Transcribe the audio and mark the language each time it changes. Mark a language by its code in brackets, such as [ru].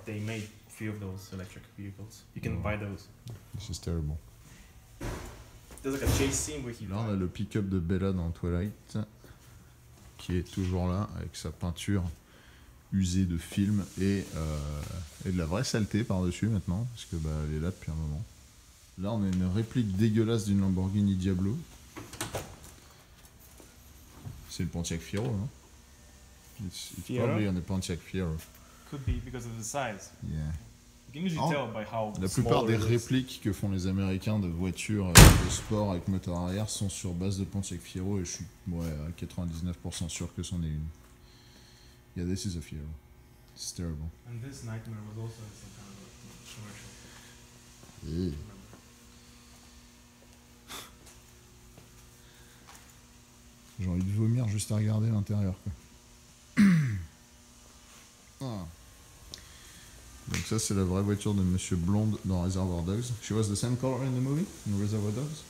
[en] They made a few of those electric vehicles. You can buy those. This is terrible. There's like a chase scene where he... [fr] Là, on a le pick-up de Bella dans Twilight, qui est toujours là, avec sa peinture usée de film et de la vraie saleté par-dessus maintenant, parce que bah, elle est là depuis un moment. Là, on a une réplique dégueulasse d'une Lamborghini Diablo. C'est le Pontiac Fiero, non? [en] It's Fiero? Probably on the Pontiac Fiero. Could be because of the size. Yeah. You can [fr] La plupart des répliques que font les Américains de voitures de sport avec moteur arrière sont sur base de Pontiac Fiero et je suis à 99% sûr que c'en est une. [en] Yeah, this is a Fiero. It's terrible. And this nightmare was also in some kind of commercial. Yeah. [fr] J'ai envie de vomir juste à regarder l'intérieur. Quoi. Ah. Donc ça, c'est la vraie voiture de Monsieur Blonde dans Reservoir Dogs. [en] She was the same color in the movie, in Reservoir Dogs?